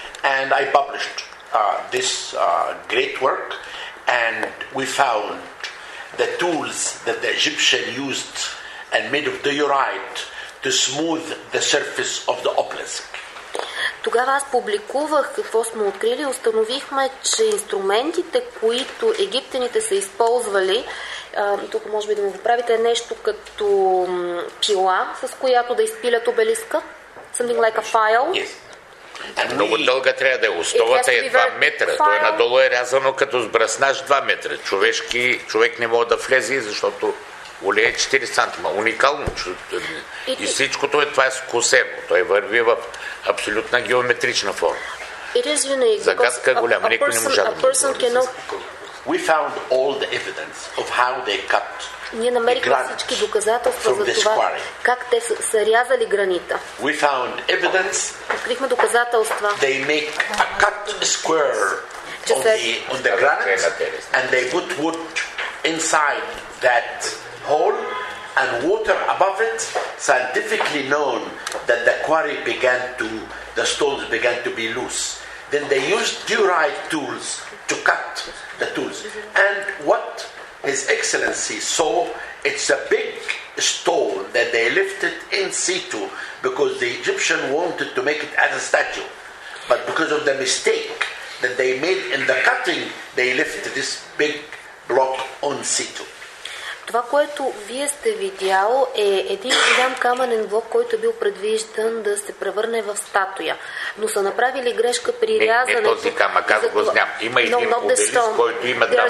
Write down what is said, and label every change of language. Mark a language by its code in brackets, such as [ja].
[en] And I published this great work, and we found the tools that the Egyptian used and made of diorite to smooth the surface of the obelisk. [bg] Тогава аз публикувах какво сме открили. Установихме, че инструментите, които египтяните са използвали, тук може би да ме поправите, нещо като пила, с която да изпилят обелиска. [en] Something like a file. [bg] Много дълга трябва да е. Основата е 2 метра. Това е надолу е рязано като с бръснаж 2 метра. Човек не може да влезе, защото оле е 4 см. Уникално. И всичкото е това е скосено. Той върви в абсолютна геометрична форма. Загадка е голяма. Никой не може да бъде. [en] We found all the evidence of how they cut. [bg] Ние намерихме всички доказателства за това как те са рязали гранита. [en] We found evidence. [bg] Открихме доказателства. [en] They make a cut square on the granite and they put wood inside that hole and water above it. Scientifically known that the quarry began to the stones began to be loose. Then they used durite tools to cut the tools. And what His Excellency saw, it's a big stone that they lifted in situ because the Egyptian wanted to make it as a statue. But because of the mistake that they made in the cutting, they lifted this big block on situ. [bg] Това, което вие сте видял, е един голям каменен блок, който бил предвиждан да се превърне в статуя. Но са направили грешка при рязането. Не този камък, аз го знам. Има един обелиск, който има дама.